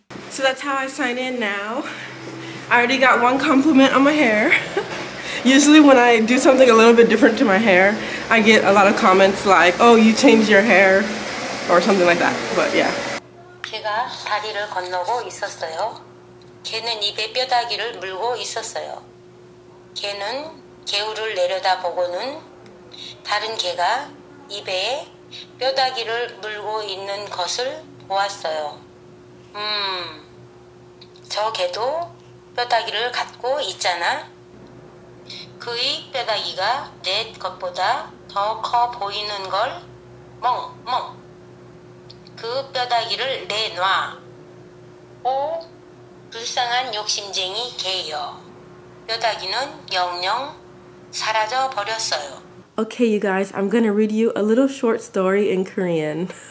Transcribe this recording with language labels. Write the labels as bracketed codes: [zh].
[en] So that's how I sign in now. I already got one compliment on my hair. Usually when I do something a little bit different to my hair, I get a lot of comments like, oh, you changed your hair, or something like that, but yeah. [ko] 걔가 다리를 건너고 있었어요. 걔는 입에 뼈다귀를 물고 있었어요. 걔는 개울을 내려다보고는 다른 개가 입에 뼈다귀를 물고 있는 것을 보았어요. 저 개도 뼈다귀를 갖고 있잖아. 그의 뼈다귀가 내 것보다 더 커 보이는 걸 멍멍. 그 뼈다귀를 내놔. 오, 불쌍한 욕심쟁이 개여. 뼈다귀는 영영 사라져 버렸어요. [en] Okay, you guys, I'm gonna read you a little short story in Korean.